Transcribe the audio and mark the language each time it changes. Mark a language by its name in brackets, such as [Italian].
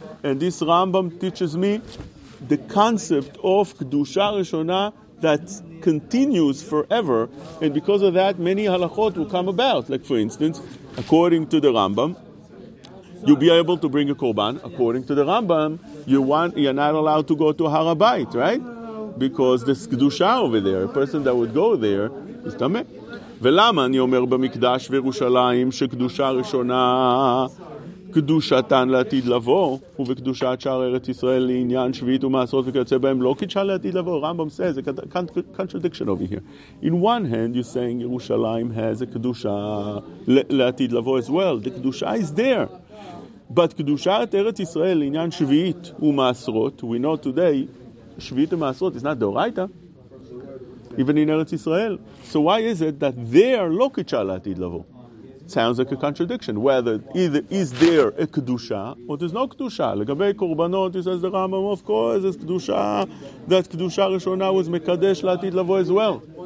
[English] And this Rambam teaches me the concept of Kedusha Rishona that continues forever, and because of that, many halachot will come about. Like, for instance, according to the Rambam, you'll be able to bring a korban. According to the Rambam, you're not allowed to go to Har HaBayit, right? Because there's Kedusha over there. A person that would go there is Tameh. [Hebrew] Velama ani omer b'mikdash v'Yerushalayim shekedusha rishona קדושתן לעתיד לבוא, ובקדושת שער ארץ ישראל לעניין שביעית ומעשרות וכיוצא בהם, לא קדשה לעתיד לבוא. [English] Rambam says, a contradiction over here. In one hand, you're saying Yerushalayim has a [Hebrew] קדושה לעתיד לבוא [English] as well. The קדושה is there. But [Hebrew] קדושת ארץ ישראל לעניין שביעית ומעשרות, [English] we know today, שביעית ומעשרות is not דאורייתא, even in ארץ ישראל. So why is it that there [Hebrew] לא קדשה לעתיד לבוא? [English] Sounds like a contradiction. Whether either is there a kedusha or there's no kedusha. Legabei korbanot, he says the Rambam, of course, there's kedusha. That kedusha rishona was [Hebrew] mekadesh latid lavo [English] as well.